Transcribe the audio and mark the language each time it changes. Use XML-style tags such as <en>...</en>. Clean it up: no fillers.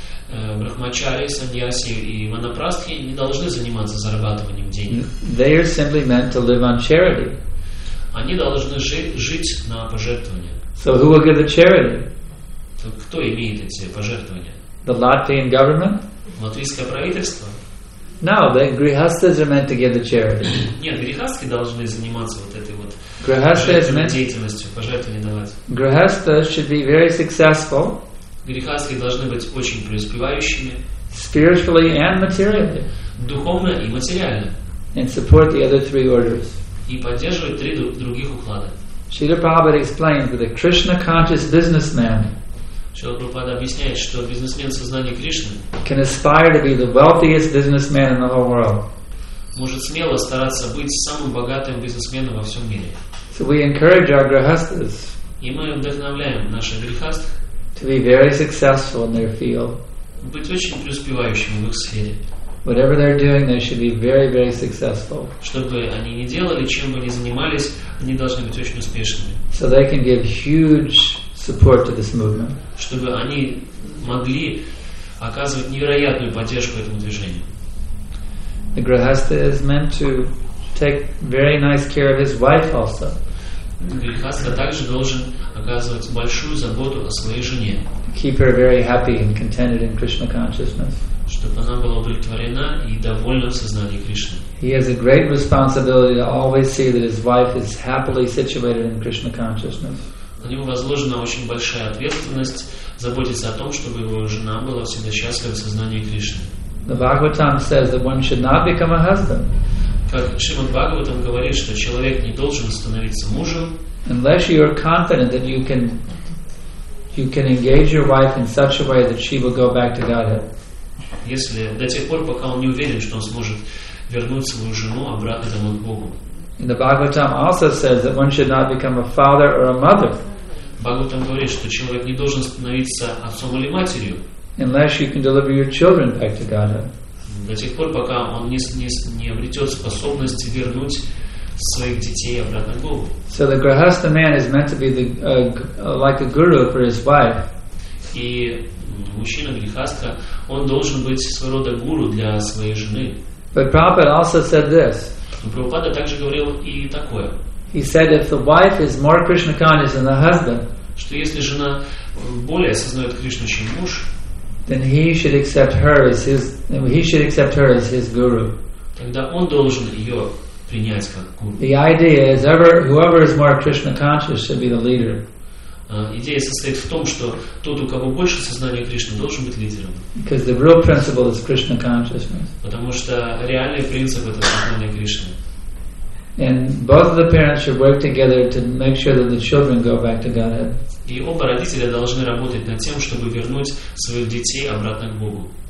<ru>Брахмачари, саньяси и ванапрастхи не должны заниматься зарабатыванием денег.</ru> <en>They are simply meant to live on charity.</en> <ru>Они должны жить на пожертвования.</ru> <en>So who will give the charity?</en> <ru>То кто имеет эти пожертвования?</ru> <en>The Latvian government?</en> <ru>Латвийское правительство?</ru> <en>No, the grihasthas are meant to give the charity.</en> <ru>Нет, грихасты должны заниматься вот этой вот пожертвенной деятельностью, пожертвования давать.</ru> <en>Grihastha should be very successful.</en> <ru>Грихасты должны быть очень преуспевающими.</ru> <en>Spiritually and materially.</en> <ru>Духовно и материально.</ru> <en>And support the other three orders.</en> <ru>И поддерживать три других уклада.</ru> <en>Шрила Прабхупада explains that a Krishna conscious businessman.</en> <ru>Шрила Прабхупада объясняет, что бизнесмен сознания Кришны</ru> <en>can aspire to be the wealthiest businessman in the whole world.</en> <ru>Может смело стараться быть самым богатым бизнесменом во всем мире.</ru> <en>So we encourage our grihasthas.</en> <ru>И мы вдохновляем наших грихаст.</ru> <en>To be very successful in their field.</en> <ru>Быть очень преуспевающим в их сфере.</ru> <en>Whatever they're doing, they should be very, very successful.</en> <ru>Чтобы они ни делали, чем бы ни занимались, они должны быть очень успешными.</ru> <en>So they can give huge support to this movement.</en> <ru>Чтобы они могли оказывать невероятную поддержку этому движению.</ru> <en>The grihastha is meant to take very nice care of his wife also.</en> <ru>Грихастха также должен оказывать большую заботу о своей жене.</ru> <en>Keep her very happy and contented in Krishna consciousness.</en> <ru>Чтобы она была удовлетворена и довольна в сознании Кришны.</ru> <en>He has a great responsibility to always see that his wife is happily situated in Krishna consciousness.</en> <ru>На него возложена очень большая ответственность заботиться о том, чтобы его жена была всегда счастлива в сознании Кришны.</ru> <en>The Bhagavatam says that one should not become a husband.</en> <ru>Как Шримад Бхагаватам говорит, что человек не должен становиться мужем.</ru> <en>Unless you are confident that you can engage your wife in such a way that she will go back to Godhead.</en> <ru>Если до тех пор, пока он не уверен, что он сможет вернуть свою жену обратно домой к Богу.</ru> <en>And the Bhagavatam also says that one should not become a father or a mother.</en> <ru>Бхагаватам говорит, что человек не должен становиться отцом или матерью.</ru> <en>Unless you can deliver your children back to Godhead.</en> <ru>До тех пор, пока он не обретет способности вернуть своих детей обратно к Богу.</ru> <en>So the grihastha man is meant to be the like a guru for his wife.</en> <ru>И мужчина грихастха, он должен быть своего рода гуру для своей жены.</ru> <en>But Prabhupada also said this.</en> <ru>Прабхупада также говорил и такое.</ru> <en>He said if the wife is more Krishna conscious than the husband.</en> <ru>Что если жена более осознает Кришну, чем муж.</ru> <en>Then he should accept her as his. He should accept her as his guru.</en> <ru>Тогда он должен ее принять как гуру.</ru> <en>The idea is ever whoever is more Krishna conscious should be the leader.</en> <ru>Идея состоит в том, что тот, у кого больше сознания Кришны, должен быть лидером.</ru> <en>Because the real principle is Krishna consciousness.</en> <ru>Потому что реальный принцип это сознание Кришны.</ru> <en>And both of the parents should work together to make sure that the children go back to Godhead.</en> <ru>И оба родителя должны работать над тем, чтобы вернуть своих детей обратно к Богу.</ru>